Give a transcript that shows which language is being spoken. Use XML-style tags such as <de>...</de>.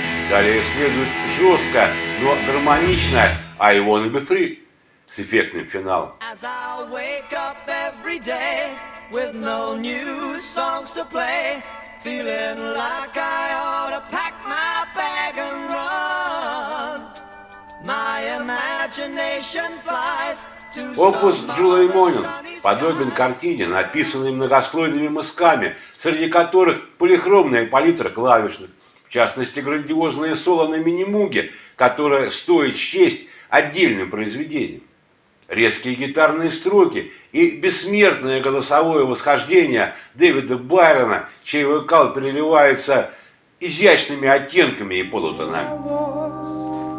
<ru>Далее следует жесткая, но гармоничная «I Wanna Be Free» с эффектным финалом.</ru> <en>As I wake up every day with no new songs to play, feeling like I ought to pack my bag and run. My imagination flies to some other sunny sky.</en> <ru>Опус Джулии Монин подобен картине, написанной многослойными мазками, среди которых полихромная палитра клавишных, в частности, грандиозное соло на мини-муге, которое стоит счесть отдельным произведением. Резкие гитарные строки и бессмертное голосовое восхождение Дэвида Байрона, чей вокал переливается изящными оттенками и полутонами.</ru>